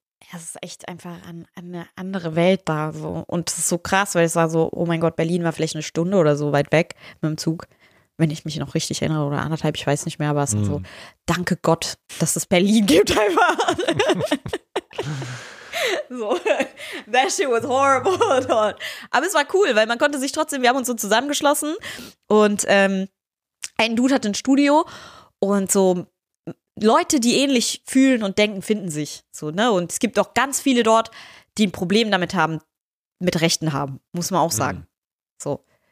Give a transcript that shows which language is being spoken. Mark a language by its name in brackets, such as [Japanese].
[German] Ja, es ist echt einfach eine andere Welt da. So. Und es ist so krass, weil es war so, oh mein Gott, Berlin war vielleicht eine Stunde oder so weit weg mit dem Zug, wenn ich mich noch richtig erinnere, oder anderthalb, ich weiß nicht mehr, aber es ist so, danke Gott, dass es Berlin gibt einfach. [English] So, that shit was horrible. [German] Aber es war cool, weil man konnte sich trotzdem, wir haben uns so zusammengeschlossen und ein Dude hat ein Studio und so Leute, die ähnlich fühlen und denken, finden sich. So, ne? Und es gibt auch ganz viele dort, die ein Problem damit haben, mit Rechten haben, muss man auch sagen. So.